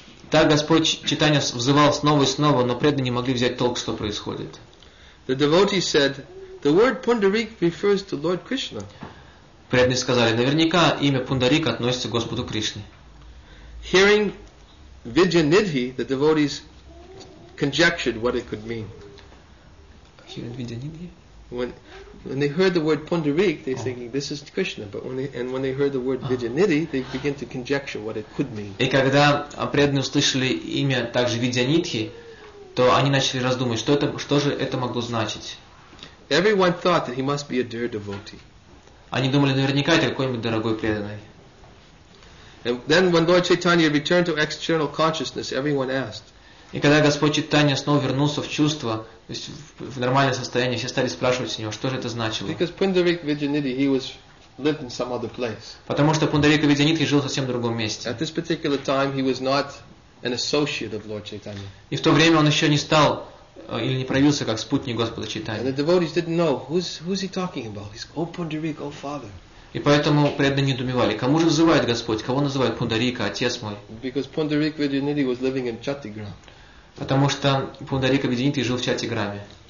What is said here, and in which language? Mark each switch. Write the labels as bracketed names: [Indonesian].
[Russian] Так Господь Чайтанья взывал снова и снова, но преданные не могли взять толк, что происходит. [English] The devotees said, "The word Pundarik refers to Lord Krishna." [Russian] Преданные сказали, наверняка имя Пундарик относится к Господу Кришне. [English] Hearing Vidyanidhi, the devotees conjectured what it could mean. Hearing Vidyanidhi? When they heard the word Pundarik, they're thinking this is Krishna. But when they heard the word Vidyanidhi, they begin to conjecture what it could mean. [Russian] И когда преданные услышали имя также Видьянитхи, то они начали раздумывать, что же это могло значить. [English] Everyone thought that he must be a dear devotee. [Russian] Они думали, наверняка это какой-нибудь дорогой преданный. [English] And then when Lord Chaitanya returned to external consciousness, everyone asked. [Russian] И когда Господь Чайтанья снова вернулся в чувство, то есть в нормальное состояние, все стали спрашивать у него, что же это значило. [English] Because Pundarik Vidyanidhi, he was lived in some other place. [Russian] Потому что Пундарика Видьянитхи жил в совсем другом месте. [English] At this particular time, he was not an associate of Lord Chaitanya. [Russian] И в то время он еще не стал или не проявился как спутник Господа Чайтаньи. [English] And the devotees didn't know who's he talking about. He's "O Pundarik, O Father." [Russian] И поэтому преданные недоумевали, кому же называет Господь, кого называет Пундарика, отец мой. [English] Because Pundarik Vidyanidhi was living in Chatigram. [Russian] Потому что Пундарика Видьянитхи жил в Чатиграме.